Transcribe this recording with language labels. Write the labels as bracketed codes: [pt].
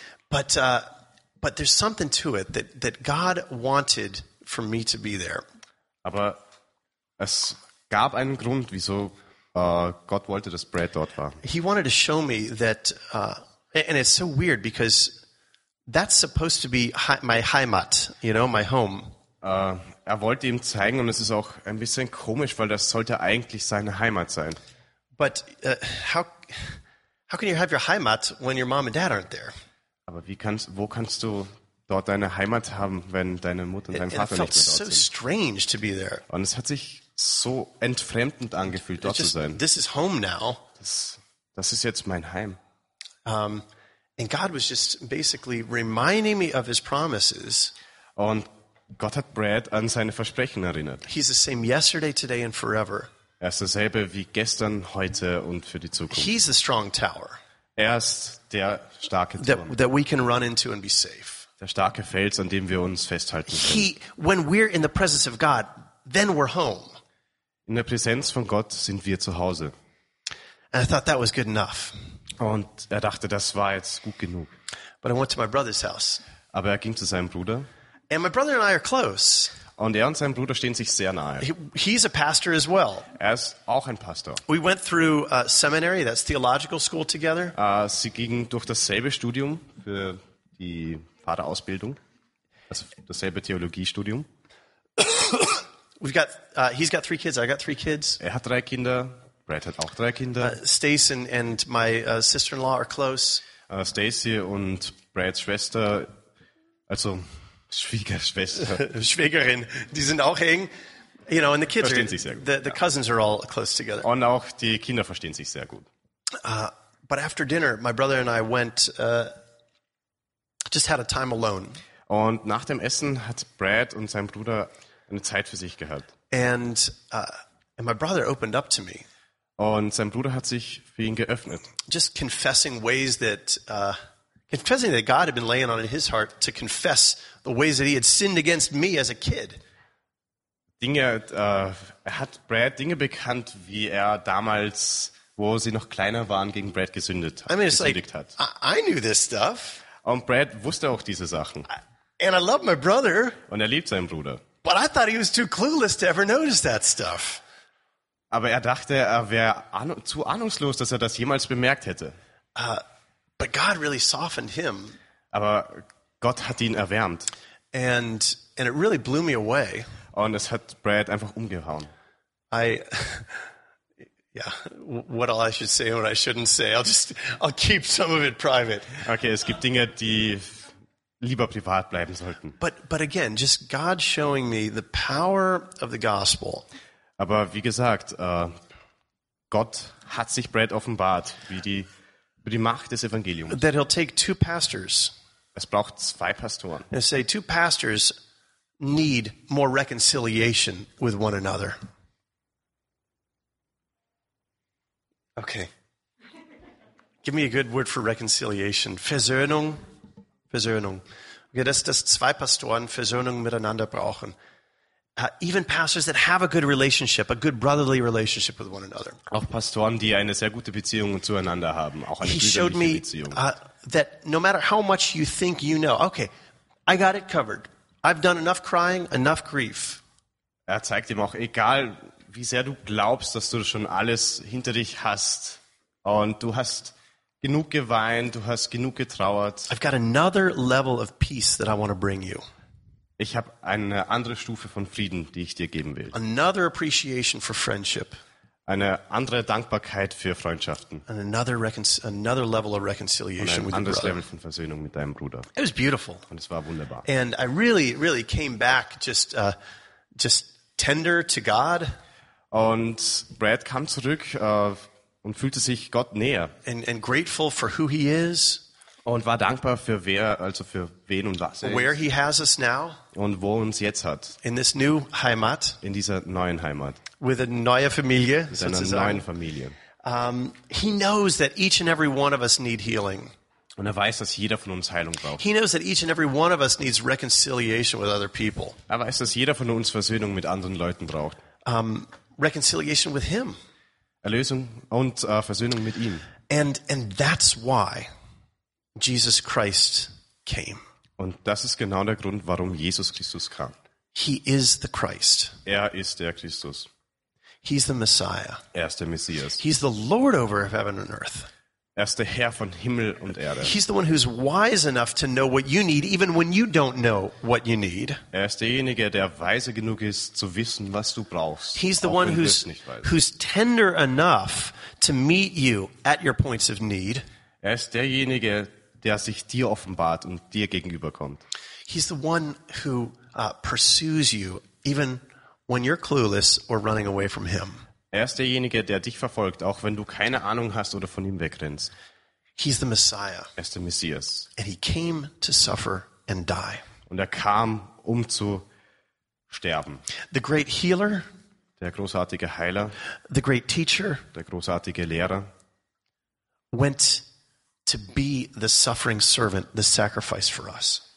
[en] But there's something to it that God wanted for me to be there. [de] Aber es gab einen Grund, wieso Gott wollte, dass Brad dort war. [en] He wanted to show me that, and it's so weird because that's supposed to be my Heimat, you know, my home. [de] Er wollte ihm zeigen, und es ist auch ein bisschen komisch, weil das sollte eigentlich seine Heimat sein. [en] But how can you have your Heimat when your mom and dad aren't there? [de] Aber wo kannst du dort deine Heimat haben, wenn deine Mutter und dein Vater nicht mehr dort sind? [en] It felt so strange to be there. [de] Und es hat sich so entfremdend angefühlt, dort zu sein. [en] This is home now. [de] Das ist jetzt mein Heim. [en] And God was just basically reminding me of his promises. [de] Und Gott hat Brad an seine Versprechen erinnert. [en] He's the same yesterday, today and forever. [de] Er ist dasselbe wie gestern, heute und für die Zukunft. [en] He's the strong tower. [de] Er ist der starke Turm. [en] That we can run into and be safe. [de] Der starke Fels, an dem wir uns festhalten können. [en] When we're in the presence of God, then we're home. [de] In der Präsenz von Gott sind wir zu Hause. [en] And I thought that was good enough. [de] Und er dachte, das war jetzt gut genug. [en] But I went to my brother's house. [de] Aber er ging zu seinem Bruder. [en] And my brother and I are close. [de] Und er und sein Bruder stehen sich sehr nahe. [en] He's a pastor as well. [de] Er ist auch ein Pastor. [en] We went through a seminary, that's theological school together. [de] Sie gingen durch dasselbe Studium für die Pfarrerausbildung. Also dasselbe Theologiestudium. [en] He's got 3 kids, I got 3 kids. [de] Er hat 3 Kinder. Brad hat auch 3 Kinder. [en] Stacy and my sister-in-law are close. [de] Stacy und Brads Schwester, also Schwiegerschwester. Schwägerin, die sind auch eng. [en] You know, and the kids [de] verstehen [en] are, [de] sich sehr gut. [en] The cousins are all close together. [de] Und auch die Kinder verstehen sich sehr gut. [en] But after dinner, my brother and I went, just had a time alone. [de] Und nach dem Essen hat Brad und sein Bruder eine Zeit für sich gehabt. [en] And my brother opened up to me. [de] Und sein Bruder hat sich für ihn geöffnet. [en] Just confessing ways that confessing that God had been laying on in his heart to confess the ways that he had sinned against me as a kid. [de] Er hat Brad Dinge bekannt, wie er damals, wo sie noch kleiner waren, gegen Brad gesündigt hat. [en] I mean, [de] hat. [en] I knew this stuff. [de] Und Brad wusste auch diese Sachen. [en] And I love my brother. [de] Und er liebt seinen Bruder. [en] But I thought he was too clueless to ever notice that stuff. [de] Aber er dachte, er wäre zu ahnungslos, dass er das jemals bemerkt hätte. [en] But God really softened him. [de] Aber Gott hat ihn erwärmt. [en] And it really blew me away. [de] Und es hat Brad einfach umgehauen. [en] What all I should say and what I shouldn't say. I'll keep some of it private. [de] Okay, es gibt Dinge, die lieber privat bleiben sollten. [en] But again, just God showing me the power of the gospel. [de] Aber wie gesagt, Gott hat sich Brad offenbart, wie die Macht des Evangeliums. [en] That he'll take 2 pastors. [de] Es braucht 2 Pastoren. [en] And say 2 pastors need more reconciliation with one another. Okay. Give me a good word for reconciliation. [de] Versöhnung. Versöhnung. Okay, dass zwei Pastoren Versöhnung miteinander brauchen. [en] Even pastors that have a good relationship, a good brotherly relationship with one another. [de] Auch Pastoren, die eine sehr gute Beziehung zueinander haben, auch eine brüderliche Beziehung. [en] That no matter how much you think you know, okay, I got it covered. I've done enough crying, enough grief. [de] Er zeigt ihm auch, egal wie sehr du glaubst, dass du schon alles hinter dich hast und du hast genug geweint, du hast genug getrauert. [en] I've got another level of peace that I want to bring you. [de] Ich habe eine andere Stufe von Frieden, die ich dir geben will. [en] Another appreciation for friendship. [de] Eine andere Dankbarkeit für Freundschaften. [en] And another level of reconciliation with your brother. [de] Ein anderes Level von Versöhnung mit deinem Bruder. [en] It was beautiful. [de] Und es war wunderbar. [en] And I really, really came back just tender to God. [de] Und Brad kam zurück und fühlte sich Gott näher. [en] And grateful for who he is. [de] Und war dankbar für wer, also für wen und was. [en] Where he has us now. [de] Und wo uns jetzt hat. [en] In this new Heimat. [de] In dieser neuen Heimat. [en] With a [de] neue Familie. Mit einer neuen Familie. [en] He knows that each and every one of us need healing. [de] Und weiß, dass jeder von uns Heilung braucht. [en] He knows that each and every one of us needs reconciliation with other people. [de] Weiß, dass jeder von uns Versöhnung mit anderen Leuten braucht. [en] Reconciliation with him. [de] Erlösung und Versöhnung mit ihm. [en] And that's why Jesus Christ came. [de] Und das ist genau der Grund, warum Jesus Christus kam. [en] He is the Christ. [de] Er ist der Christus. [en] He's the Messiah. [de] Er ist der Messias. [en] He's the Lord over heaven and earth. [de] Er ist der Herr von Himmel und Erde. [en] He's the one who's wise enough to know what you need, even when you don't know what you need. [de] Er ist derjenige, der weise genug ist, zu wissen, was du brauchst. [en] He's the one who's tender enough to meet you at your points of need. [de] Er ist derjenige, der sich dir offenbart und dir gegenüberkommt. [en] He's the one who pursues you even when you're clueless or running away from him. [de] Er ist derjenige, der dich verfolgt, auch wenn du keine Ahnung hast oder von ihm wegrennst. [en] He's the Messiah. [de] Er ist der Messias. [en] And he came to suffer and die. [de] Und er kam, um zu sterben. [en] The great healer. [de] Der großartige Heiler. [en] The great teacher. [de] Der großartige Lehrer. [en] Went to be the suffering servant, the sacrifice for us.